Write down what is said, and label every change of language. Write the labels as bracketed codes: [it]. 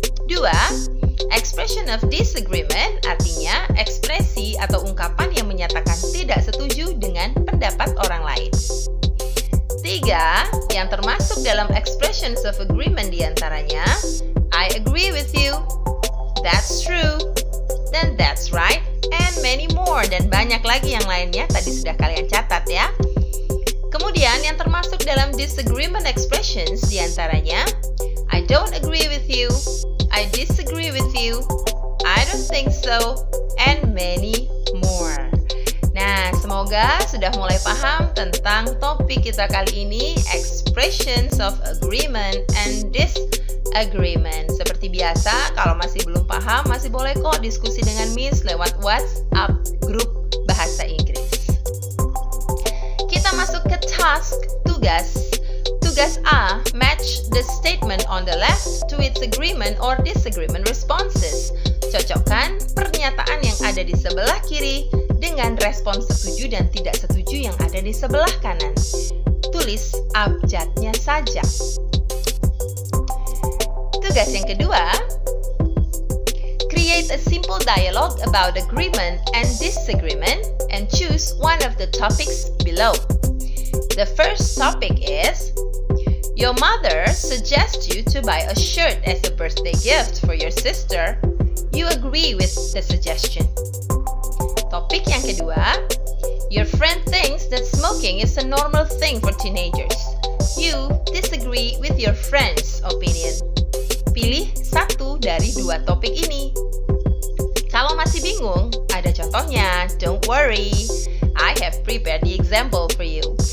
[id] Dua, [en] expression of disagreement [id] artinya ekspresi atau ungkapan yang menyatakan tidak setuju dengan pendapat orang lain. Tiga, yang termasuk dalam [en] expressions of agreement [id] diantaranya, [en] I agree with you, that's true, then that's right, and many more. [id] Dan banyak lagi yang lainnya tadi sudah kalian catat ya. Kemudian yang termasuk dalam [en] disagreement expressions [id] diantaranya, [en] I don't agree with you, I disagree with you, I don't think so, and many more. [id] Nah, semoga sudah mulai paham tentang topik kita kali ini, [en] expressions of agreement and disagreement. [id] Seperti biasa, kalau masih belum paham, masih boleh kok diskusi dengan Miss lewat WhatsApp grup Bahasa Inggris. Kita masuk ke task, tugas. Tugas A, [en] match the statement on the left to its agreement or disagreement responses. [id] Cocokkan pernyataan yang ada di sebelah kiri dengan respon setuju dan tidak setuju yang ada di sebelah kanan. Tulis abjadnya saja. Tugas yang kedua, [en] create a simple dialogue about agreement and disagreement and choose one of the topics below. The first topic is, your mother suggests you to buy a shirt as a birthday gift for your sister. You agree with the suggestion. [id] Topik yang kedua, [en] your friend thinks that smoking is a normal thing for teenagers. You disagree with your friend's opinion. [id] Pilih satu dari dua topik ini. Kalau masih bingung, ada contohnya. [en] Don't worry, I have prepared the example for you.